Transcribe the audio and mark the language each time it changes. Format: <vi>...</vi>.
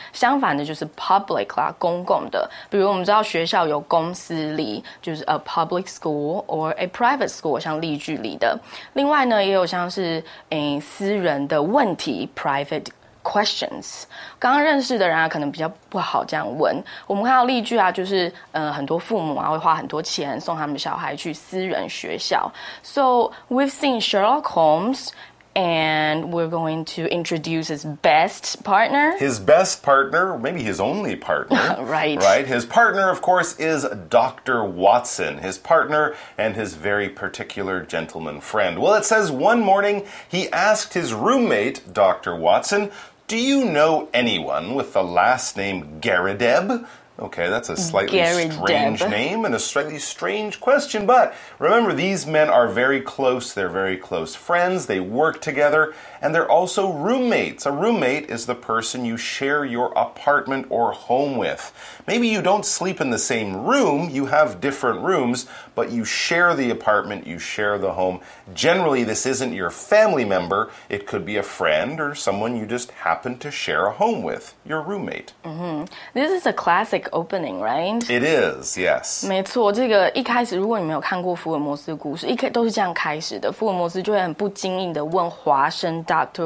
<zh>相反的，就是 public 啦，公共的。比如我们知道学校有公私立，就是</zh> <en>a public school or a private school，</en> <zh>像例句里的。另外呢，也有像是私人的问题</zh> <en>private questions.</en> <zh>刚认识的人啊，可能比较不好这样问。我们看到例句啊，就是很多父母啊会花很多钱送他们小孩去私人学校。</zh> <en>So we've seen Sherlock Holmes. And we're going to introduce his best partner. His best partner, maybe his only partner. Right. Right. His partner, of course, is Dr. Watson, his partner and his very particular gentleman friend. Well, it says one morning he asked his roommate, Dr. Watson, do you know anyone with the last name Garadeb? Okay, that's a slightly strange name and a slightly strange question. But remember, these men are very close. They're very close friends. They work together. And they're also roommates. A roommate is the person you share your apartment or home with. Maybe you don't sleep in the same room. You have different rooms, but you share the apartment. You share the home. Generally, this isn't your family member. It could be a friend or someone you just happen to share a home with, your roommate. Mm-hmm. This is a classic. Opening, right? It is, yes.</en> <zh>没错，这个一开始，如果你没有看过福尔摩斯的故事，一开都是这样开始的。福尔摩斯就会很不经意的问华生 Dr.</zh>